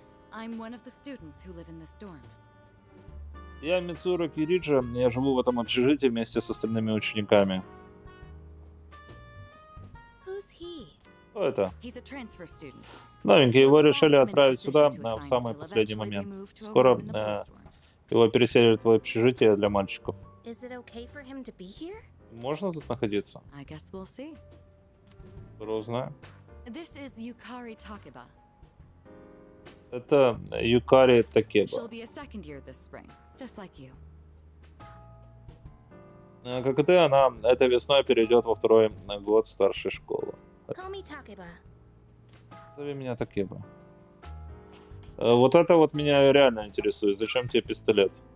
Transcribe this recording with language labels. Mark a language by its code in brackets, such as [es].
[en] I'm one of the students who live in the storm. [ru] Я Мицуру Кириджо, я живу в этом общежитии вместе с остальными учениками. [en] Who's he? [ru] Кто это? [en] He's a transfer student. [ru] Новенький, его решили отправить сюда в самый последний момент. Скоро его переселят в общежитие для мальчиков. [en] Is it okay for him to be here? [ru] Можно тут находиться? [en] I guess we'll see. [ru] Грозно. [en] This is Yukari Takeba. [ru] Это Юкари Такеба. [en] She'll be a second year this spring, just like you. [ru] Как и ты, она этой весной перейдет во второй год старшей школы. [en] Call me Takeba. [ru] Зови меня Такеба. Вот это вот меня реально интересует. Зачем тебе пистолет?